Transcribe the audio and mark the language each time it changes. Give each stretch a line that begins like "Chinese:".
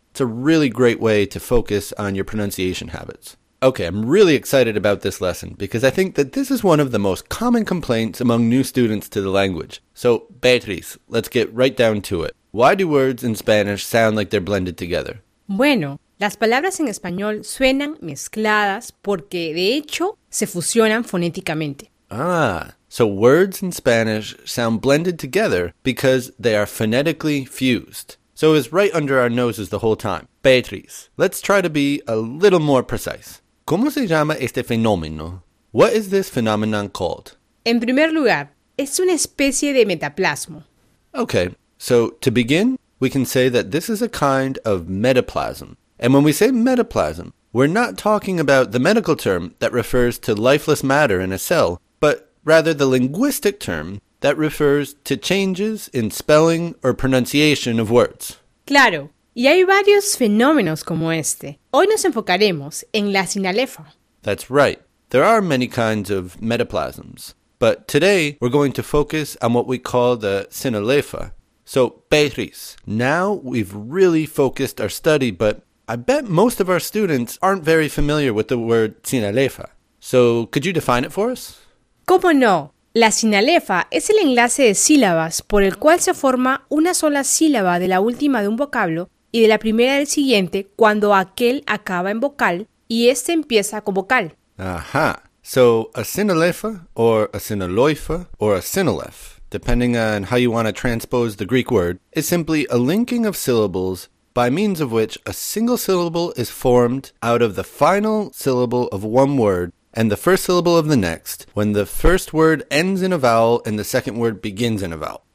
English: It's a really great way to focus on your pronunciation habits. Okay, I'm really excited about this lesson because I think that this is one of the most common complaints among new students to the language. So, Beatriz, let's get right down to it. Why do words in Spanish sound like they're blended together?
Spanish: Bueno, las palabras en español suenan mezcladas porque, de hecho, se fusionan fonéticamente.
English: Ah, so words in Spanish sound blended together because they are phonetically fused. So it was right under our noses the whole time. Beatriz, let's try to be a little more precise.
Spanish: ¿Cómo se llama este fenómeno?
English: What is this phenomenon called?
Spanish: En primer lugar, es una especie de metaplasmo.
English: Okay, so to begin, we can say that this is a kind of metaplasm. And when we say metaplasm, we're not talking about the medical term that refers to lifeless matter in a cell, but rather the linguistic term that refers to changes in spelling or pronunciation of words.
Spanish: Claro. Y hay varios fenómenos como este. Hoy nos enfocaremos en la sinalefa.
English: That's right. There are many kinds of metaplasms. But today, we're going to focus on what we call the sinalefa. So, Beatriz, now we've really focused our study, but I bet most of our students aren't very familiar with the word sinalefa. So, could you define it for us?
Spanish: ¿Cómo no? La sinalefa es el enlace de sílabas por el cual se forma una sola sílaba de la última de un vocablo y de la primera del siguiente cuando aquel acaba en vocal y este empieza con vocal. Ajá.
English: So, a sinalefa, or a sinaloifa, or a sinalef, depending on how you want to transpose the Greek word, is simply a linking of syllables by means of which a single syllable is formed out of the final syllable of one word and the first syllable of the next when the first word ends in a vowel and the second word begins in a vowel.